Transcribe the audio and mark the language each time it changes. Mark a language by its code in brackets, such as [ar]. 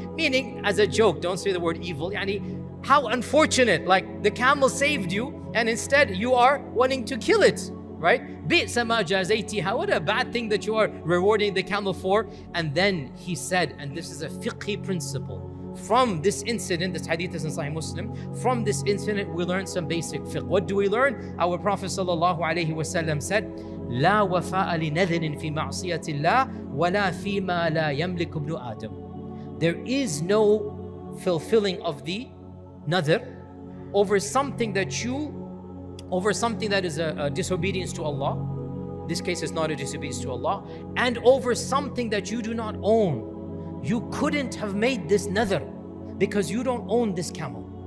[en] Meaning, as a joke, don't say the word evil. Yani, how unfortunate, like the camel saved you and instead you are wanting to kill it, right? [ar] Bi'sa ma jazaytiha. [en] What a bad thing that you are rewarding the camel for. And then he said, and this is a fiqhi principle, from this incident, this hadith is in Sahih Muslim, from this incident we learn some basic fiqh. What do we learn? Our Prophet sallallahu alayhi wa sallam said, [ar] لا وفاء لنذر في معصية الله ولا فيما لا يملك ابن آدم. [en] There is no fulfilling of the nadhr over something that you, over something that is a disobedience to Allah. In this case, it's not a disobedience to Allah. And over something that you do not own. You couldn't have made this nadhr because you don't own this camel.